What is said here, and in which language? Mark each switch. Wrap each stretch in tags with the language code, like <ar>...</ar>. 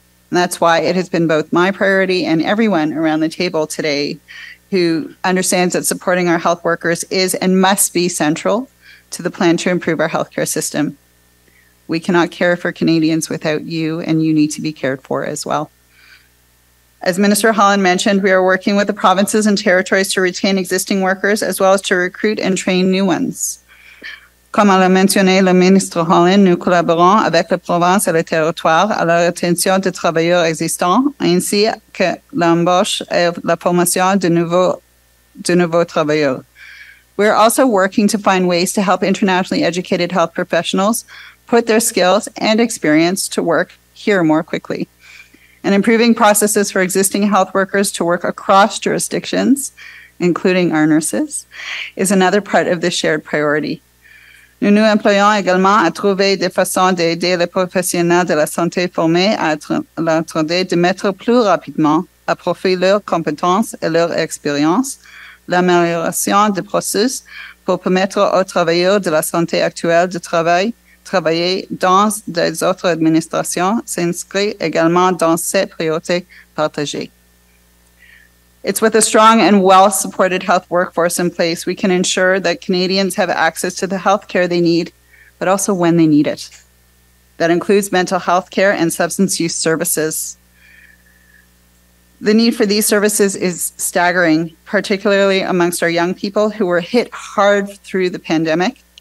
<en>And that's why it has been both my priority and everyone around the table today who understands that supporting our health workers is and must be central to the plan to improve our healthcare system. We cannot care for Canadians without you, and you need to be cared for as well. As Minister Holland mentioned, we are working with the provinces and territories to retain existing workers, as well as to recruit and train new ones.</en> <fr>Comme l'a mentionné le ministre Holland, nous collaborons avec les provinces et les territoires à la retention de travailleurs existants, ainsi que l'embauche et la formation de nouveaux travailleurs.</fr> <en>We are also working to find ways to help internationally educated health professionals put their skills and experience to work here more quickly. And improving processes for existing health workers to work across jurisdictions, including our nurses, is another part of this shared priority.</en> <fr>Nous nous employons également à trouver des façons d'aider les professionnels de la santé formés à l'entrée de mettre plus rapidement à profit leurs compétences et leurs expériences, l'amélioration des processus pour permettre aux travailleurs de la santé actuelle de travailler dans des autres administrations s'inscrit également dans cette priorité partagée.</fr> <en>It's with a strong and well-supported health workforce in place we can ensure that Canadians have access to the health care they need, but also when they need it. That includes mental health care and substance use services. The need for these services is staggering, particularly amongst our young people who were hit hard through the pandemic.</en>